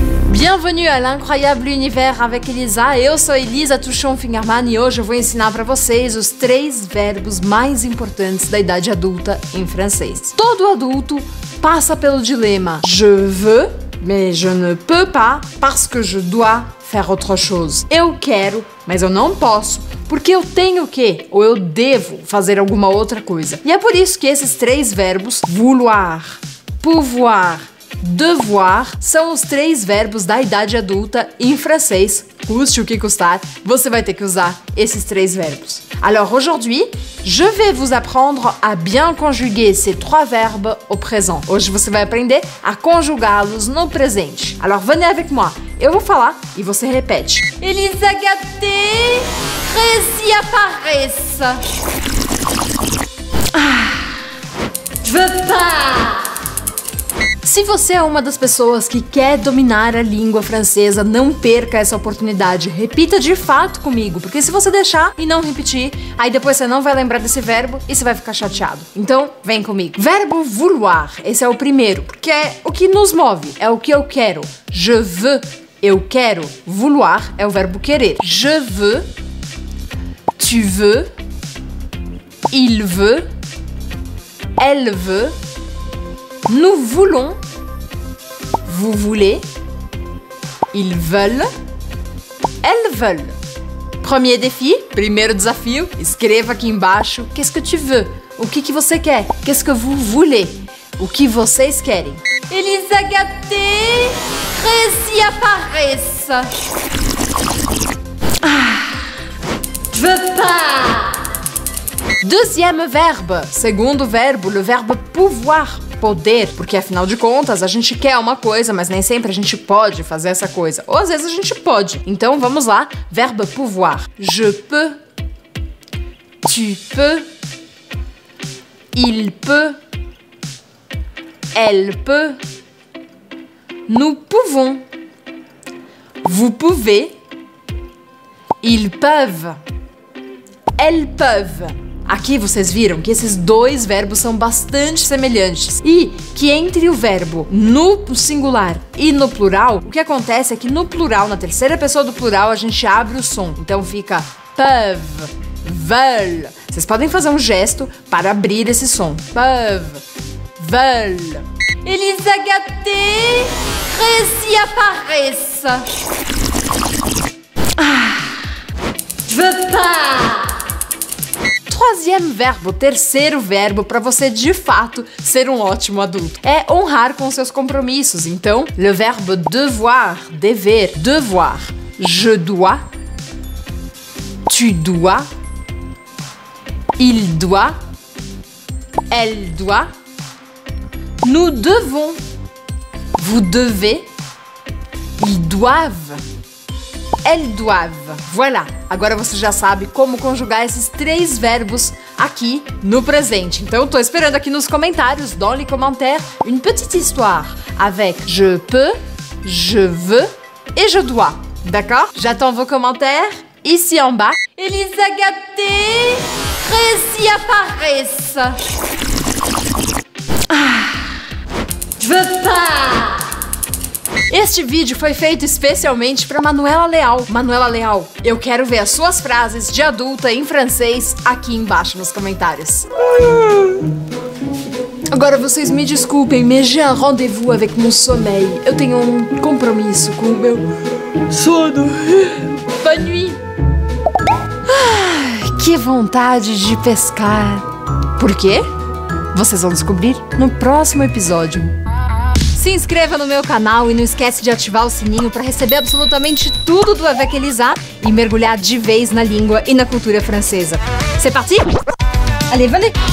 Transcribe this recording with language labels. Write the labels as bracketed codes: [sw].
[fr] Bienvenue à l'incroyable univers avec Elisa. [pt] Eu sou Elisa Tuchon-Fingerman e hoje eu vou ensinar para vocês os três verbos mais importantes da idade adulta em francês. Todo adulto passa pelo dilema [fr] je veux, mais je ne peux pas, parce que je dois faire autre chose. [pt] Eu quero, mas eu não posso, porque eu tenho que, ou eu devo, fazer alguma outra coisa. E é por isso que esses três verbos, vouloir, pouvoir, devoir, são os três verbos da idade adulta em francês. Custe o que custar, você vai ter que usar esses três verbos. [fr] Alors aujourd'hui, je vais vous apprendre à bien conjuguer ces trois verbes au présent. [pt] Hoje você vai aprender a conjugá-los no presente. [fr] Alors venez avec moi, [pt] eu vou falar e você repete. Ils agatent, très y apparaissent. [fr] Je veux pas. [pt] Se você é uma das pessoas que quer dominar a língua francesa, não perca essa oportunidade. Repita de fato comigo, porque se você deixar e não repetir, aí depois você não vai lembrar desse verbo e você vai ficar chateado. Então, vem comigo. Verbo vouloir, esse é o primeiro, porque é o que nos move, é o que eu quero. Je veux, eu quero. Vouloir é o verbo querer. [fr] Je veux, tu veux, il veut, elle veut. Nous voulons, vous voulez, ils veulent, elles veulent. Premier défi, [pt] primeiro desafio, escreva aqui embaixo. [fr] Qu'est-ce que tu veux? [pt] O que você quer? [fr] Qu'est-ce que vous voulez? [pt] O que vocês querem? [fr] Ils agatent, très y apparaissent. Je veux pas. Deuxième verbe, [pt] segundo verbo, [fr] le verbe pouvoir. [pt] Poder, porque afinal de contas a gente quer uma coisa, mas nem sempre a gente pode fazer essa coisa. Ou às vezes a gente pode. Então vamos lá, verbo pouvoir. [fr] Je peux, tu peux, il peut, elle peut, nous pouvons, vous pouvez, ils peuvent, elles peuvent. [pt] Aqui vocês viram que esses dois verbos são bastante semelhantes e que entre o verbo no singular e no plural, o que acontece é que no plural, na terceira pessoa do plural, a gente abre o som. Então fica peuvent, veulent. Vocês podem fazer um gesto para abrir esse som. [fr] Peuvent, veulent. Ils agatent, très y apparaissent. Je veux pas. [pt] Troisième verbo, terceiro verbo, para você de fato ser um ótimo adulto. É honrar com seus compromissos. Então, le verbe devoir, dever, devoir. [fr] Je dois, tu dois, il doit, elle doit, nous devons, vous devez, ils doivent. Elles doivent. Voilà. [pt] Agora você já sabe como conjugar esses três verbos aqui no presente. Então eu tô esperando aqui nos comentários, [fr] dans les commentaires, une petite histoire avec je peux, je veux et je dois. D'accord? J'attends vos commentaires ici en bas. Ils agatent, très y apparaissent. Je veux pas. [pt] Este vídeo foi feito especialmente para Manuela Leal. Manuela Leal, eu quero ver as suas frases de adulta em francês aqui embaixo nos comentários. Agora vocês me desculpem, [fr] mais j'ai un rendez-vous avec mon sommeil. [pt] Eu tenho um compromisso com o meu sono. [fr] Bonne nuit. [pt] Ah, que vontade de pescar. Por quê? Vocês vão descobrir no próximo episódio. Se inscreva no meu canal e não esquece de ativar o sininho para receber absolutamente tudo do Avec Elisa e mergulhar de vez na língua e na cultura francesa. [fr] C'est parti? Allez, venez!